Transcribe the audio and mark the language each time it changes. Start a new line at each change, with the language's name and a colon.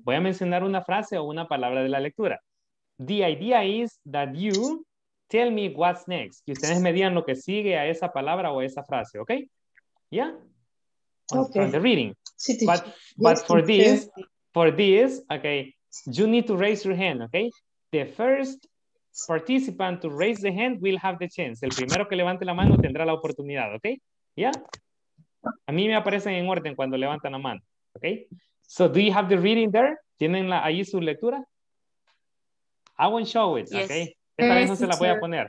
Spanish: Voy a mencionar una frase o una palabra de la lectura.
English: The idea is that you tell me what's next.
Spanish: Que ustedes me digan lo que sigue a esa palabra o a esa frase, okay? Yeah?
English: Okay. From the reading. But for this, okay, you need to raise your hand, okay? The first participant to raise the hand will have the chance.
Spanish: El primero que levante la mano tendrá la oportunidad, okay? Yeah? A mí me aparecen en orden cuando levantan la mano, okay?
English: So do you have the reading there?
Spanish: ¿Tienen la, ahí su lectura?
English: I won't show it, yes. Okay?
Spanish: Esta vez no se la voy a poner.